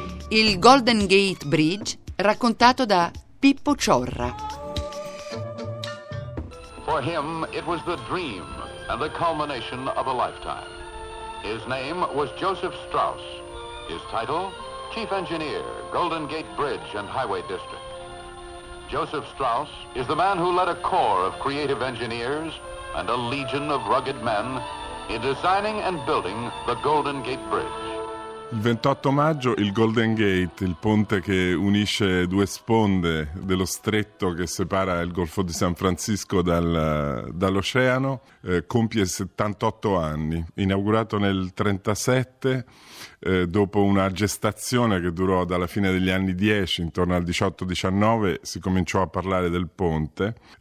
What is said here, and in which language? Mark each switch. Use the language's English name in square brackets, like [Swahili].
[Italian] Il Golden Gate Bridge, raccontato da Pippo Ciorra. [English] For him it was the dream and the culmination of a lifetime. His name was Joseph Strauss. His title, Chief Engineer, Golden Gate Bridge and Highway District. Joseph Strauss is the man who led a corps of creative engineers and a legion of rugged men in designing and building the Golden Gate Bridge. [Italian] Il 28 maggio il Golden Gate, il ponte che unisce due sponde dello stretto che separa il Golfo di San Francisco dall'oceano, compie 78 anni. Inaugurato nel 1937, dopo una gestazione che durò dalla fine degli anni 10, intorno al 18-19, si cominciò a parlare del ponte.